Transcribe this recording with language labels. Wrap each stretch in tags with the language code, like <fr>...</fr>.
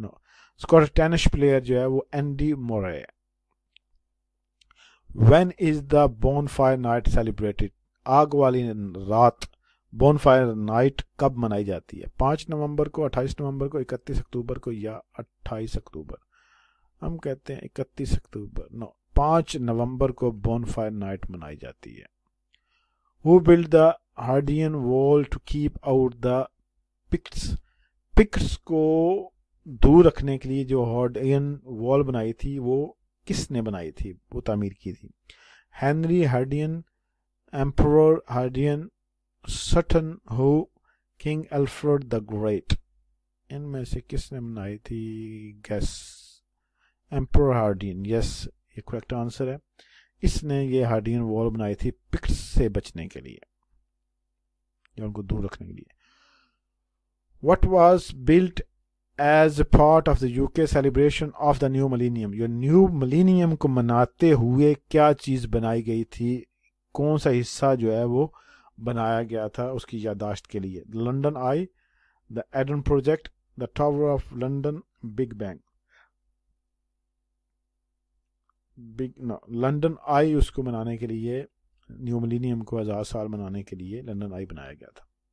<ur>نو, Scottish tennis player جو ہے وہ اینڈی مورے ہے.</ur> <en>When is the bonfire night celebrated?</en> <ur>آگ والی رات, bonfire night کب منائی جاتی ہے؟ 5 نومبر کو, 28 نومبر کو, 31 اکتوبر کو, یا 28 اکتوبر. ہم کہتے ہیں 31 اکتوبر. نو, 5 نومبر کو bonfire night منائی جاتی ہے.</ur> <en>Who built the Hadrian wall to keep out the</en> <ur>pickets کو دور رکھنے کے لیے جو ہارڈ این وال بنائی تھی وہ کس نے بنائی تھی، وہ تعمیر کی تھی؟ Henry ہارڈین، ایمپرور ہارڈین، سٹن ہو، king Alfred the great, ان میں سے کس نے بنائی تھی؟ گیس ایمپرور ہارڈین، یس یہ کریکٹ آنسر ہے، اس نے یہ ہارڈین وال بنائی تھی پکٹس سے بچنے کے لیے یا ان کو دور رکھنے کے لیے.</ur> <en>What was built as a part of the UK celebration of the new millennium? Your new millennium</en> <ur>کو مناتے ہوئے کیا چیز بنائی گئی تھی، کون سا حصہ جو ہے وہ بنایا گیا تھا اس کی یاداشت کے لیے؟ London I, the Eden project, the tower of London, big bang, London آئی اس کو منانے کے لیے، نیو ملینیم کو ہزار سال منانے کے لیے لنڈن آئی بنایا گیا تھا.</ur>